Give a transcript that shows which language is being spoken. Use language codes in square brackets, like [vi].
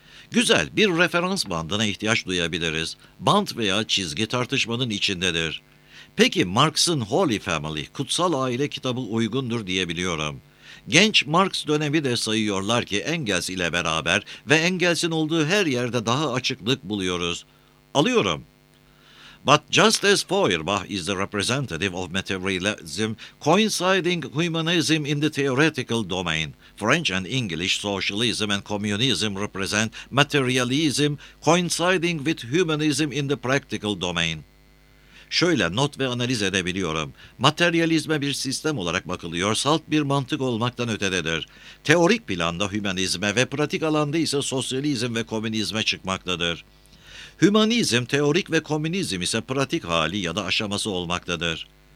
[tr] Güzel, bir referans bandına ihtiyaç duyabiliriz. Band veya çizgi tartışmanın içindedir. Peki Marx'ın Holy Family, Kutsal Aile kitabı uygundur diyebiliyorum. Genç Marx dönemi de sayıyorlar ki Engels ile beraber ve Engels'in olduğu her yerde daha açıklık buluyoruz. Alıyorum. [en] But just as Feuerbach is the representative of materialism coinciding humanism in the theoretical domain, French and English socialism and communism represent materialism coinciding with humanism in the practical domain. [tr] Şöyle not ve analiz edebiliyorum. Materyalizme bir sistem olarak bakılıyor, salt bir mantık olmaktan ötededir. Teorik planda hümanizme ve pratik alanda ise sosyalizm ve komünizme çıkmaktadır. Hümanizm, teorik ve komünizm ise pratik hali ya da aşaması olmaktadır.